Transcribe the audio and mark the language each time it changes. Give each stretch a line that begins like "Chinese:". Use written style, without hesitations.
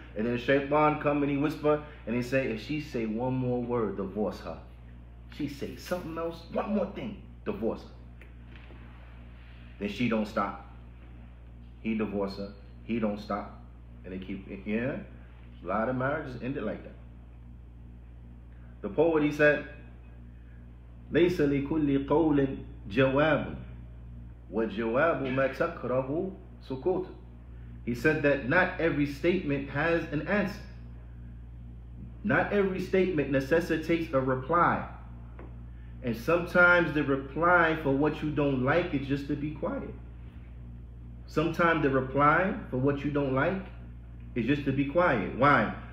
English: And then Shaytan come and he whisper and he say, if she say one more word, divorce her. She say something else, one more thing, divorce her. Then she don't stop. He divorce her, he don't stop. And they keep, yeah, a lot of marriages ended like that. The poet, he said,
Arabic: لَيْسَ لِكُلِّ قَوْلٍ جَوَابٌ وَجَوَابُ مَا تَكْرَهُ سُكُوتٌ.
English: He said that not every statement has an answer. Not every statement necessitates a reply. And sometimes the reply for what you don't like is just to be quiet. Sometimes the reply for what you don't like is just to be quiet. Why?